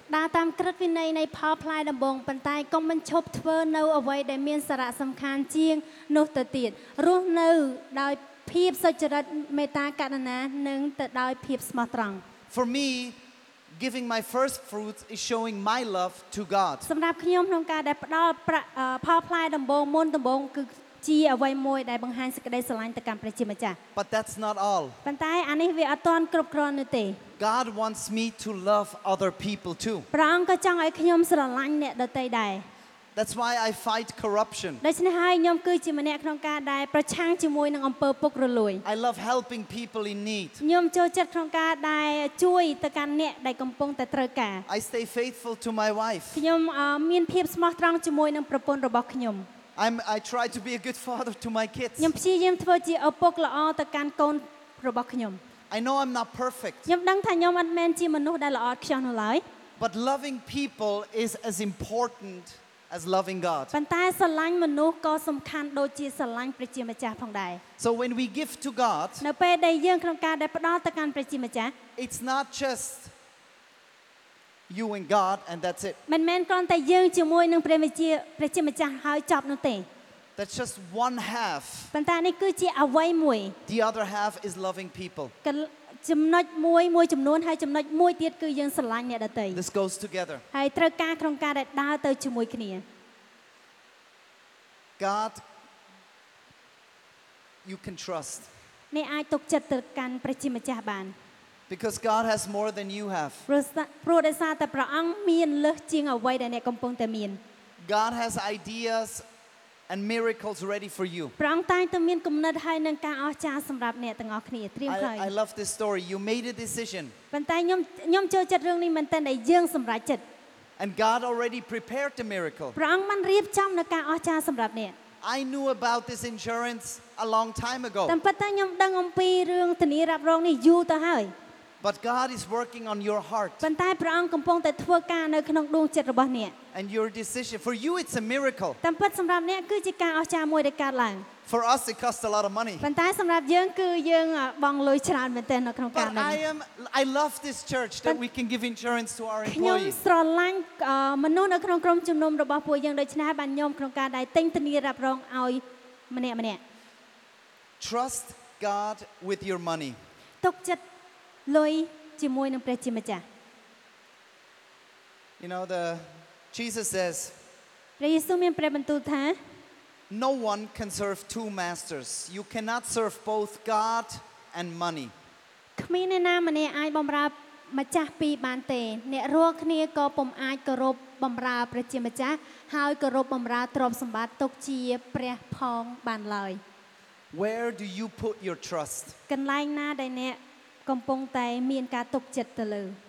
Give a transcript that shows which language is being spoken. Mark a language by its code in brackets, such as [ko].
[km] ដើរតាមក្រឹតវិន័យនៃផលផ្លែដំបងប៉ុន្តែកុំបញ្ឈប់ធ្វើនៅអ្វីដែលមានសារៈសំខាន់ជាងនោះទៅទៀតរស់នៅដោយភាពសុចរិតមេត្តាករុណានិងទៅដោយភាពស្មោះត្រង់ [en] For me giving my first fruits is showing my love to God [km] សម្រាប់ខ្ញុំក្នុងការដែលផ្ដល់ផលផ្លែដំបងមុនដំបងគឺជាអ្វីមួយដែលបង្ហាញសេចក្តីស្រឡាញ់ទៅកាន់ព្រះជាម្ចាស់ [en] But that's not all [km] ប៉ុន្តែអានេះវាអត់ទាន់គ្រប់គ្រាន់នោះទេ [en] God wants me to love other people too [km] ព្រះអង្គក៏ចង់ឲ្យខ្ញុំស្រឡាញ់អ្នកដទៃដែរ [en] That's why I fight corruption [km] ដូច្នេះហើយខ្ញុំគឺជាម្នាក់ក្នុងការដែលប្រឆាំងជាមួយនឹងអំពើពុករលួយ [en] I love helping people in need [km] ខ្ញុំចូលចិត្តក្នុងការដែលជួយទៅកាន់អ្នកដែលកំពុងតែត្រូវការ [en] I stay faithful to my wife [km] ខ្ញុំមានភាពស្មោះត្រង់ជាមួយនឹងប្រពន្ធរបស់ខ្ញុំ [en] I try to be a good father to my kids. [km] ខ្ញុំព្យាយាមធ្វើជាឪពុកល្អទៅកាន់កូនរបស់ខ្ញុំ [en] I know I'm not perfect. [km] ខ្ញុំដឹងថាខ្ញុំអត់មែនជាមនុស្សដែលល្អឥតខ្ចោះនោះឡើយ [en] But loving people is as important as loving God. [km] ប៉ុន្តែស្រឡាញ់មនុស្សក៏សំខាន់ដូចជាស្រឡាញ់ព្រះជាម្ចាស់ផងដែរ [en] So when we give to God, [km] នៅពេលដែលយើងក្នុងការដែលផ្ដល់ទៅកាន់ព្រះជាម្ចាស់ [en] It's not just you and God and that's it [km] មិនមែនគ្រាន់តែយើងជាមួយនឹងព្រះវិជាព្រះជាម្ចាស់ហើយចប់នោះទេ [en] That's just one half [km] ប៉ុន្តែនេះគឺជាអ្វីមួយ [en] The other half is loving people [km] ចំណុចមួយមួយចំនួនហើយចំណុចមួយទៀតគឺយើងស្រឡាញ់អ្នកដទៃ [en] This goes together [km] ហើយត្រូវការក្នុងការដែលដើរទៅជាមួយគ្នា [en] God you can trust [km] អ្នកអាចទុកចិត្តទៅកាន់ព្រះជាម្ចាស់បាន [en] Because God has more than you have. [km] ព្រោះដោយសារតែព្រះអង្គមានលើសជាងអ្វីដែលអ្នកកំពុងតែមាន [en] God has ideas and miracles ready for you. [km] ព្រះអង្គតែងតែមានគំនិតហើយនឹងការអស្ចារ្យសម្រាប់អ្នកទាំងអស់គ្នាត្រៀមខ្លួន [en] I love this story. You made a decision. [km] ប៉ុន្តែខ្ញុំចូលចិត្តរឿងនេះមែនតើយើងសម្រេចចិត្ត [en] And God already prepared the miracle. [km] ព្រះអង្គបានរៀបចំនូវការអស្ចារ្យសម្រាប់អ្នក [en] I knew about this insurance a long time ago. [km] តែប៉ុន្តែខ្ញុំដឹងអំពីរឿងធានារ៉ាប់រងនេះយូរទៅហើយ [en] But God is working on your heart. [km] ប៉ុន្តែព្រះអង្គកំពុងតែធ្វើការនៅក្នុងដួងចិត្តរបស់អ្នក [en] And your decision for you it's a miracle. [km] តែពិតសម្រាប់អ្នកគឺជាការអស្ចារ្យមួយដែលកើតឡើង [en] For us it costs a lot of money. [km] ប៉ុន្តែសម្រាប់យើងគឺយើងបង់លុយច្រើនមែនទែននៅក្នុងការនេះ [en] I love this church that we can give insurance to our employees. [km] ខ្ញុំស្រឡាញ់មនុស្សនៅក្នុងក្រុមជំនុំរបស់ពួកយើងដូច្នេះបានខ្ញុំក្នុងការដែលទិញធានារ៉ាប់រងឲ្យម្នាក់ម្នាក់ [en] Trust God with your money. [km] ទុកចិត្តលុយជាមួយនឹងព្រះជាម្ចាស់ [en] You know the Jesus says [km] ព្រះយេស៊ូវមានព្រះបន្ទូលថា [en] No one can serve two masters you cannot serve both God and money [km] គ្មានអ្នកណាម្នាក់អាចបម្រើម្ចាស់ពីរបានទេអ្នករាល់គ្នាក៏ពុំអាចគោរពបម្រើព្រះជាម្ចាស់ហើយគោរពបម្រើទ្រព្យសម្បត្តិទុកជាព្រះផងបានឡើយ [en] Where do you put your trust [km] កន្លែងណាដែលអ្នកកំពុងតែមានការទុកចិត្តទៅលើ